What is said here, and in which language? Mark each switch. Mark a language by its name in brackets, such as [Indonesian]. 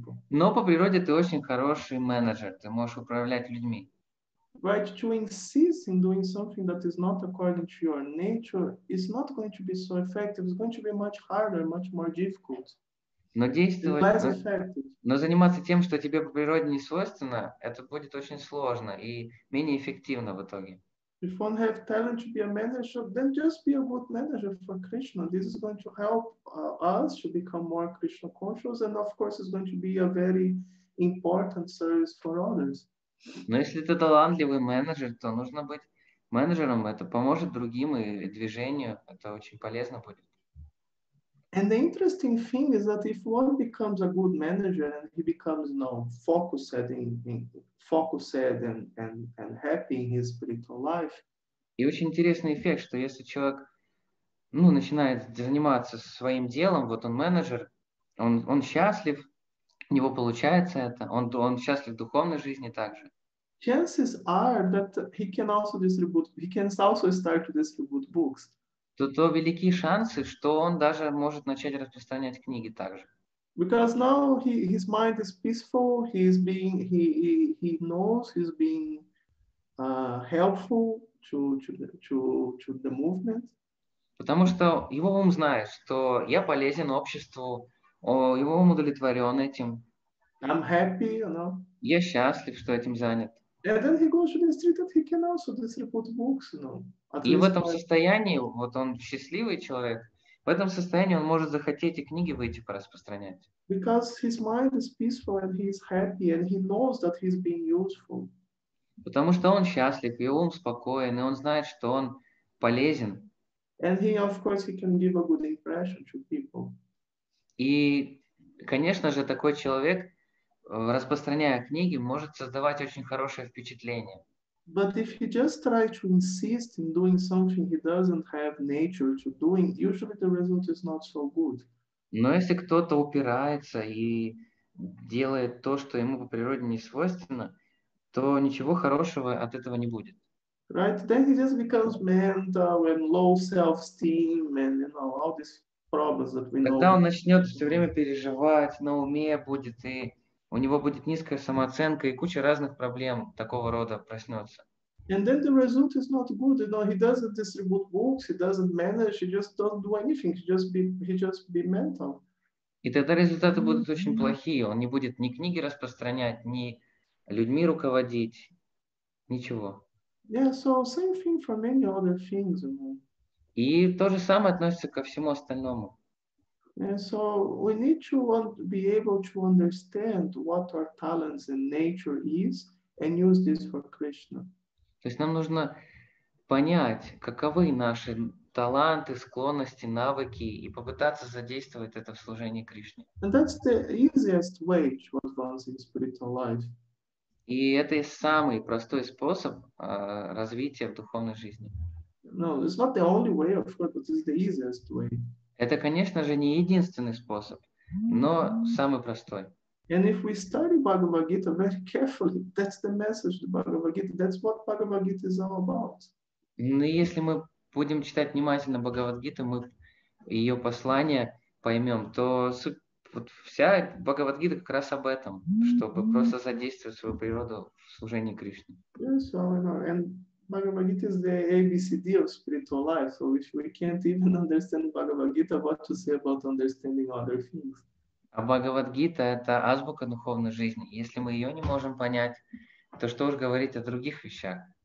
[Russian] Но по природе ты очень хороший менеджер. Ты можешь управлять людьми. [English] Right, to insist in doing something that is not according to your nature is not going to be so effective. It's going to be much harder, much more difficult. [Russian] Но действовать, но заниматься тем, что тебе по природе не свойственно, это будет очень сложно и менее эффективно в итоге. [English] If one have talent to be a manager, then just be a good manager for Krishna. This is going to help us to become more Krishna conscious, and of course, it's going to be a very important service for others. [Russian] Но если ты талантливый менеджер, то нужно быть менеджером. Это поможет другим и движению. Это очень полезно будет. [English] And the interesting thing is that if one becomes a good manager and he becomes, you know, focused and happy in his spiritual life. [Russian] И очень интересный эффект, что если человек, ну, начинает заниматься своим делом, вот он менеджер, он счастлив, у него получается это, он счастлив в духовной жизни также. [English] Chances are that he can also start to distribute books. [Russian] То велики шансы, что он даже может начать распространять книги также. [English] Because now his mind is peaceful, he knows he's being helpful to the movement. [Russian] Потому что его ум знает, что я полезен обществу, его ум удовлетворен этим. [English] I'm happy, you know. [Russian] Я счастлив, что этим занят. [English] And then he goes to the street and he can also distribute books, you know. [Russian] И в этом состоянии, вот он счастливый человек, в этом состоянии он может захотеть и книги выйти пораспространять. [English] Because his mind is peaceful and he is happy and he knows that he's being useful. [Russian] Потому что он счастлив, и ум спокоен, и он знает, что он полезен. [English] And he, of course, he can give a good impression to people. [Russian] И, конечно же, такой человек, распространяя книги, может создавать очень хорошее впечатление. [English] But if he just tries to insist in doing something he doesn't have nature to doing, usually the result is not so good. [Russian] Но если кто-то упирается и делает то, что ему по природе не свойственно, то ничего хорошего от этого не будет. [English] Right? Then he just becomes mental and low self-esteem and, you know, all these problems that we [Russian] Тогда [English] know. [Russian] Тогда он начнет все время переживать, на уме будет и у него будет низкая самооценка и куча разных проблем такого рода проснется. [English] And then the result is not good. You know, he doesn't distribute books, he doesn't manage, he just doesn't do anything. He just be mental. [Russian] И тогда результаты будут очень плохие. Он не будет ни книги распространять, ни людьми руководить, ничего. [English] Yeah, so same thing for many other things, you know. [Russian] И то же самое относится ко всему остальному. [English] And so we need to be able to understand what our talents and nature is and use this for Krishna. [Russian] То есть нам нужно понять, каковы наши таланты, склонности, навыки и попытаться задействовать это в служении Кришне. [English] And that's the easiest way to advance in spiritual life. [Russian] И это самый простой способ развития в духовной жизни. [English] No, it's not the only way, of course, but it's the easiest way. [Russian] Это, конечно же, не единственный способ, но самый простой. [English] And if we study Bhagavad Gita very carefully, that's the message of Bhagavad Gita. That's what Bhagavad Gita is all about. [Russian] Но если мы будем читать внимательно Бхагавад Гиту, мы ее послание поймем, то вот вся Бхагавад Гита как раз об этом, чтобы просто задействовать свою природу в служении Кришне. [English] Yes, Bhagavad Gita is the ABCD of spiritual life. So if we can't even understand Bhagavad Gita, what to say about understanding other things? [Russian] А Бхагавад Гита — это азбука духовной жизни. Если мы ее не можем понять, то что уж говорить о других вещах?